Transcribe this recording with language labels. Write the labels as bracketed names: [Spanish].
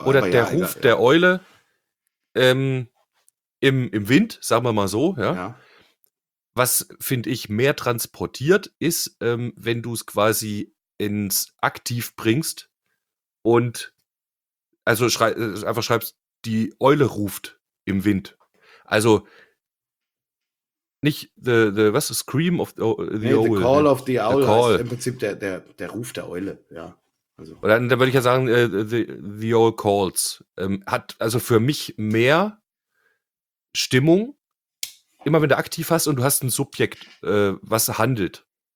[German] Eule, oder der ja, Ruf egal, der ja. Eule im Wind, sagen wir mal so, ja. Ja. Was, finde ich, mehr transportiert ist, wenn du es quasi ins Aktiv bringst und also einfach schreibst, die Eule ruft im Wind. Also nicht [English] the was the scream of the [German] nee, [English] owl. The call of the owl [German] heißt im Prinzip der Ruf der Eule, ja. Also. Oder dann würde ich ja sagen, [English] the owl calls. [German] Hat also für mich mehr Stimmung, immer wenn du aktiv hast und du hast ein Subjekt, was handelt.